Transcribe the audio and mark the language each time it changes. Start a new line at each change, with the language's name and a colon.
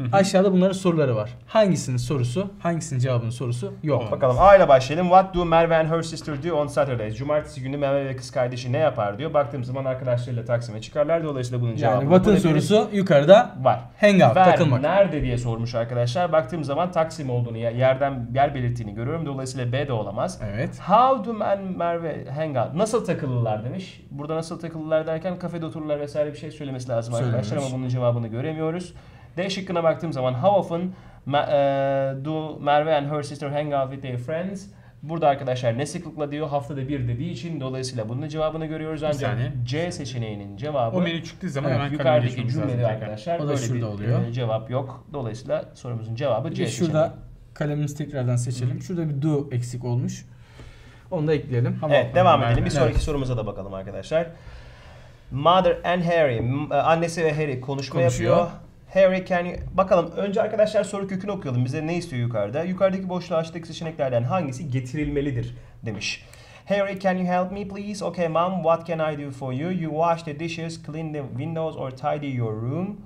Turkish: Aşağıda bunların soruları var. Hangisinin sorusu, hangisinin cevabının sorusu yok. Olmaz. Bakalım A ile başlayalım.
English: What do Merve and her sister do on Saturday?
Turkish: Cumartesi günü Merve ve kız kardeşi ne yapar diyor. Baktığım zaman arkadaşlarıyla Taksim'e çıkarlar. Dolayısıyla bunun cevabı. Yani what'ın sorusu bir yukarıda var.
English: Hang out, ver,
Turkish: takılmak. Nerede diye sormuş arkadaşlar. Baktığım zaman Taksim olduğunu, yer belirttiğini görüyorum. Dolayısıyla B de olamaz. Evet.
English: How do Merve hang out?
Turkish: Nasıl takılırlar demiş. Burada nasıl takılırlar derken kafede otururlar vesaire bir şey söylemesi lazım söylemiş arkadaşlar. Ama bunun cevabını göremiyoruz. D şıkkına baktığım zaman
English: how often do Merve and her sister hang out with their friends?
Turkish: Burada arkadaşlar ne sıklıkla diyor? Haftada bir dediği için dolayısıyla bunun cevabını görüyoruz. Ancak C seçeneğinin cevabı o menü çıktığı zaman hemen yukarıdaki cümlede arkadaşlar böyle bir oluyor. Cevap yok. Dolayısıyla sorumuzun cevabı C seçeneği. Şurada kalemimizi tekrardan seçelim. Hı. Şurada bir do eksik olmuş. Onu da ekleyelim. Tamam. Evet, devam edelim. Merve. Bir sonraki sorumuza da bakalım arkadaşlar.
English: Mother and Harry.
Turkish: Annesi ve Harry konuşuyor. Yapıyor.
English: Harry can you...
Turkish: Bakalım önce arkadaşlar soru kökünü okuyalım. Bize ne istiyor yukarıda? Yukarıdaki boşluğa açtık seçeneklerden hangisi getirilmelidir demiş.
English: Harry can you help me please? Okay mom what can I do for you? You wash the dishes, clean the windows or tidy your room.